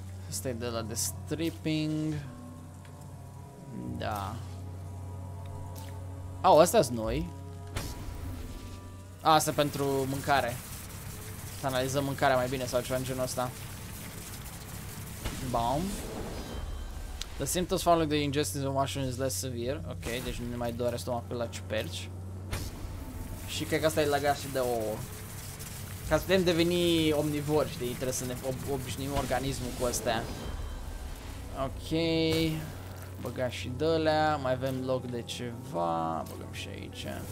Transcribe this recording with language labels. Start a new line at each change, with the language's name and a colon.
Romanian: Asta e de la de stripping. Da. Au, astea-s noi. A, asta pentru mâncare. Să analizăm mâncarea mai bine sau ceva în genul ăsta. Bam.
English: The symptoms following the ingestion of mushroom is less severe.
Romanian: Ok, deci nu ne mai doare stomacul la ciuperci. Și cred că asta e legat și de ouă. Ca să putem deveni omnivori, știi, trebuie să ne obișnim organismul cu astea. Ok, băgăm și de-alea, mai avem loc de ceva, băgăm și aici.